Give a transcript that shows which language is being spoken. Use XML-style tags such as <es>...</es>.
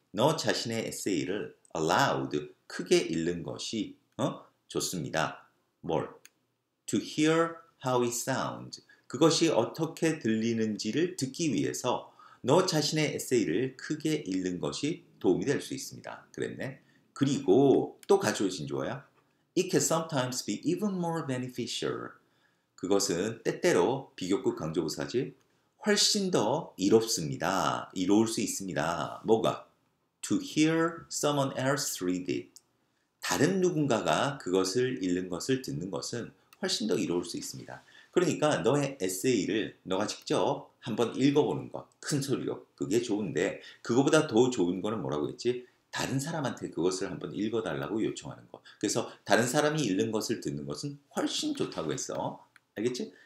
<ko>너 자신의 에세이를 aloud, 크게 읽는 것이 좋습니다.</ko> <en>More. To hear how it sounds.</en> <ko>그것이 어떻게 들리는지를 듣기 위해서 너 자신의 에세이를 크게 읽는 것이 도움이 될 수 있습니다. 그랬네. 그리고 또 가져오신 좋아요.</ko> <en>It can sometimes be even more beneficial.</en> <ko>그것은 때때로 비교급 강조부사지 훨씬 더 이롭습니다. 이로울 수 있습니다. 뭐가?</ko> <en>To hear someone else read it.</en> <ko>다른 누군가가 그것을 읽는 것을 듣는 것은 훨씬 더 이로울 수 있습니다. 그러니까 너의 에세이를 너가 직접 한번 읽어보는 것, 큰 소리로 그게 좋은데 그거보다 더 좋은 거는 뭐라고 했지? 다른 사람한테 그것을 한번 읽어달라고 요청하는 것. 그래서 다른 사람이 읽는 것을 듣는 것은 훨씬 좋다고 했어. 알겠지?</ko>